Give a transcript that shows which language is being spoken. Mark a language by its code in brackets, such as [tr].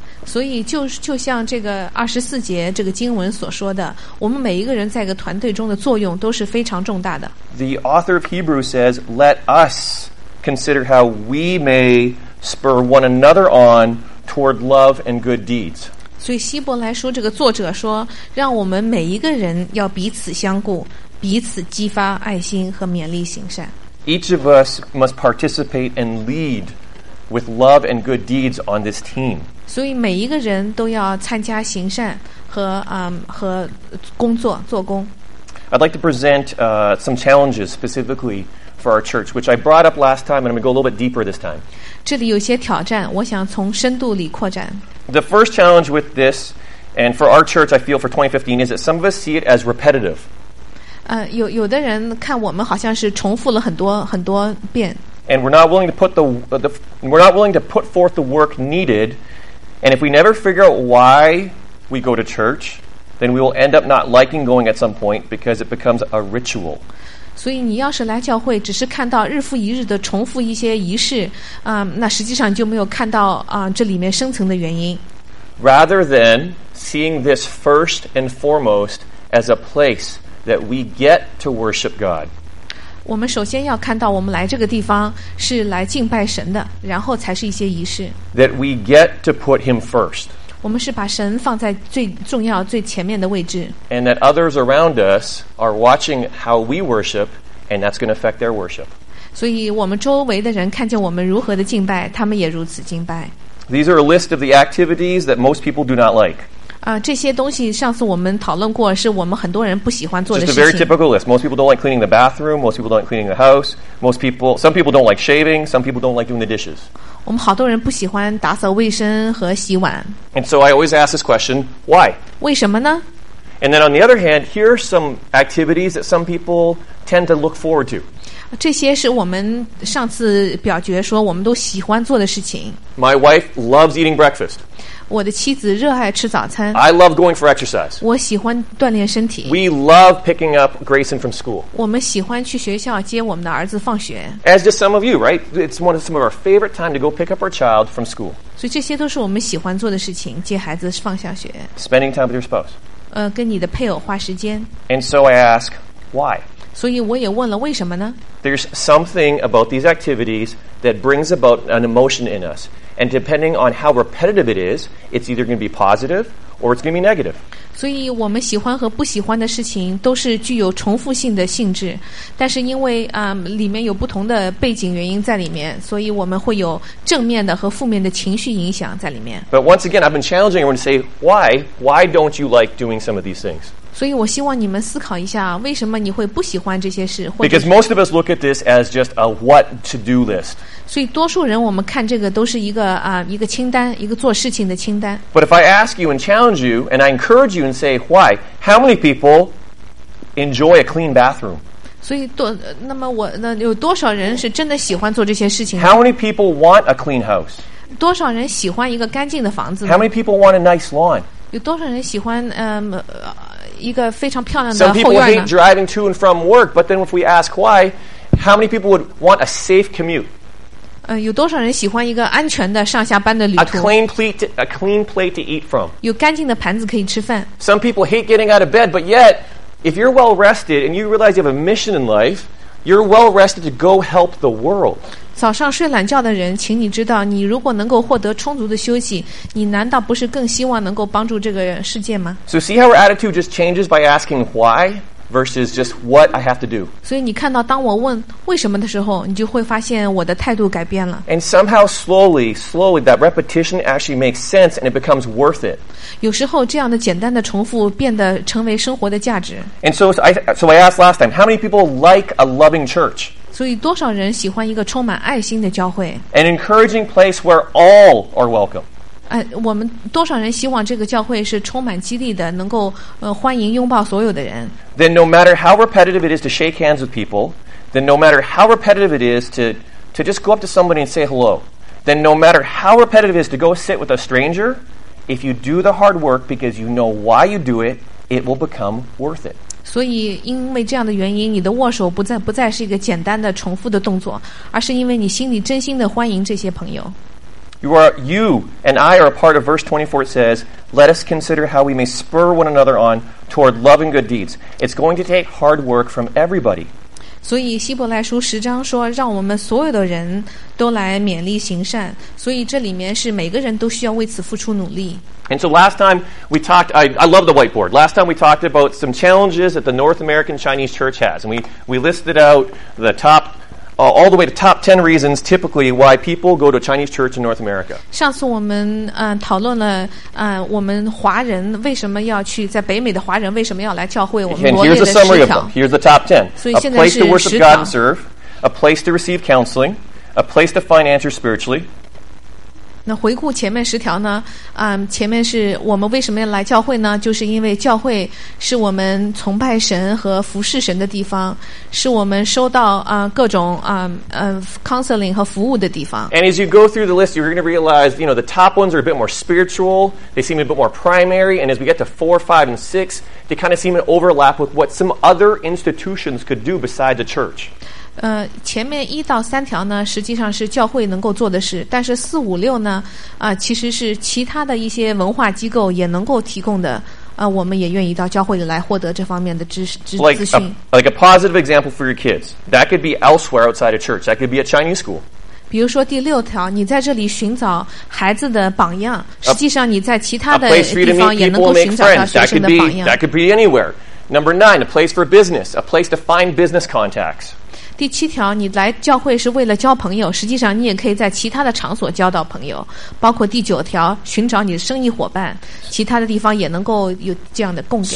[zh] 所以就像这个二十四节这个经文所说的，我们每一个人在一个团队中的作用都是非常重大的。 [en] The author of Hebrews says, "Let us consider how we may spur one another on toward love and good deeds." [zh] 所以希伯来书这个作者说，让我们每一个人要彼此相顾，彼此激发爱心和勉励行善。 [en] Each of us must participate and lead with love and good deeds on this team. [zh] 所以每一个人都要参加行善和和工作做工。 [en] I'd like to present some challenges specifically for our church, which I brought up last time, and I'm going to go a little bit deeper this time. [zh] 这里有些挑战，我想从深度里扩展。 [en] The first challenge with this, and for our church, I feel for 2015, is that some of us see it as repetitive. [zh] 有的人看我们好像是重复了很多很多遍。 [en] And we're not willing to put forth the work needed. And if we never figure out why we go to church, then we will end up not liking going at some point because it becomes a ritual. [zh] 所以你要是来教会，只是看到日复一日的重复一些仪式，那实际上就没有看到这里面深层的原因。 [en] Rather than seeing this first and foremost as a place that we get to worship God. [zh] 我们首先要看到，我们来这个地方是来敬拜神的，然后才是一些仪式。 [en] That we get to put him first. [zh] 我们是把神放在最重要、最前面的位置。 [en] And that others around us are watching how we worship, and that's going to affect their worship. [zh] 所以我们周围的人看见我们如何的敬拜，他们也如此敬拜。 [en] These are a list of the activities that most people do not like. [zh] 这些东西上次我们讨论过，是我们很多人不喜欢做的事情。 [en] Just a very typical list. Most people don't like cleaning the bathroom. Most people don't like cleaning the house. Some people don't like shaving. Some people don't like doing the dishes. [zh] 我们好多人不喜欢打扫卫生和洗碗。 [en] And so I always ask this question, why? [zh] 为什么呢？ [en] And then on the other hand, here are some activities that some people tend to look forward to. [zh] 这些是我们上次表决说我们都喜欢做的事情。 [en] My wife loves eating breakfast. [zh] 我的妻子热爱吃早餐。 [en] I love going for exercise. [zh] 我喜欢锻炼身体。 [en] We love picking up Grayson from school. [zh] 我们喜欢去学校接我们的儿子放学。 [en] As do some of you, right? It's one of some of our favorite time to go pick up our child from school. [zh] 所以这些都是我们喜欢做的事情，接孩子放下学。 [en] Spending time with your spouse. [zh] 跟你的配偶花时间。 [en] And so I ask, why? [zh] 所以我也问了为什么呢？ [en] There's something about these activities that brings about an emotion in us. And depending on how repetitive it is, it's either going to be positive or it's going to be negative. [zh] 所以我们喜欢和不喜欢的事情都是具有重复性的性质，但是因为里面有不同的背景原因在里面，所以我们会有正面的和负面的情绪影响在里面。 [en] But once again, I've been challenging everyone to say why? Why don't you like doing some of these things? [zh] 所以我希望你们思考一下，为什么你会不喜欢这些事？ [en] Because most of us look at this as just a what to do list. [zh] 所以多数人我们看这个都是一个清单，一个做事情的清单。 [en] But if I ask you and challenge you and I encourage you and say why, how many people enjoy a clean bathroom? [zh] 所以那有多少人是真的喜欢做这些事情 [en] ？How many people want a clean house? [zh] 多少人喜欢一个干净的房子 [en] ？How many people want a nice lawn? [zh] 有多少人喜欢一个非常漂亮的后院呢？ [en] Some people hate driving to and from work, but then if we ask why, how many people would want a safe commute? [zh] 有多少人喜欢一个安全的上下班的旅途 [en] a clean plate to eat from [zh] 有干净的盘子可以吃饭 [en] Some people hate getting out of bed But yet, if you're well rested And you realize you have a mission in life You're well rested to go help the world. [zh] 早上睡懒觉的人，请你知道，你如果能够获得充足的休息，你难道不是更希望能够帮助这个世界吗？ [en] So see how our attitude just changes by asking why versus just what I have to do. [zh] 所以你看到当我问为什么的时候，你就会发现我的态度改变了。 [en] And somehow slowly, that repetition actually makes sense and it becomes worth it. [zh] 有时候这样的简单的重复变得成为生活的价值。 [en] And so I asked last time, how many people like a loving church? [zh] 所以多少人喜欢一个充满爱心的教会 [en] An encouraging place where all are welcome、 [zh] 我们多少人希望这个教会是充满激励的能够、欢迎拥抱所有的人 [en] Then no matter how repetitive it is to shake hands with people Then no matter how repetitive it is to just go up to somebody and say hello Then no matter how repetitive it is to go sit with a stranger If you do the hard work because you know why you do it It will become worth it [zh] 所以因为这样的原因你的握手不再是一个简单的重复的动作而是因为你心里真心的欢迎这些朋友 [en] You and I are a part of verse 24 it says Let us consider how we may spur one another on toward love and good deeds It's going to take hard work from everybody [zh] 所以希伯来书十章说让我们所有的人都来勉励行善所以这里面是每个人都需要为此付出努力 [en] And so last time we talked, I love the whiteboard. Last time we talked about some challenges that the North American Chinese church has. And we listed out the top,、all the way to top 10 reasons typically why people go to a Chinese church in North America. [zh] 上次我们、讨论了、我们华人为什么要去在北美的华人为什么要来教会我们罗列的十条。 [en] And here's a summary of them. Here's the top 10. So now it's 10. A place to worship God and serve. A place to receive counseling. A place to find answers spiritually. [zh] 那回顾前面十条呢、前面是我们为什么要来教会呢就是因为教会是我们崇拜神和服侍神的地方是我们收到、各种、counseling 和服务的地方 [en] And as you go through the list you're going to realize you know, the top ones are a bit more spiritual they seem a bit more primary and as we get to 4, 5, and 6 they kind of seem to overlap with what some other institutions could do besides a church [zh] 前面一到三条呢实际上是教会能够做的事但是四五六呢、其实是其他的一些文化机构也能够提供的、我们也愿意到教会里来获得这方面的知识资讯 [en] like a positive example for your kids that could be elsewhere outside of church that could be a Chinese school [zh] 比如说第六条你在这里寻找孩子的榜样实际上你在其他的地方也能够寻找到学生的榜样 [en] that could be anywhere number nine a place for business a place to find business contacts [zh] 第七条，你来教会是为了交朋友，实际上你也可以在其他的场所交到朋友。包括第九条，寻找你的生意伙伴，其他的地方也能够有这样的共点。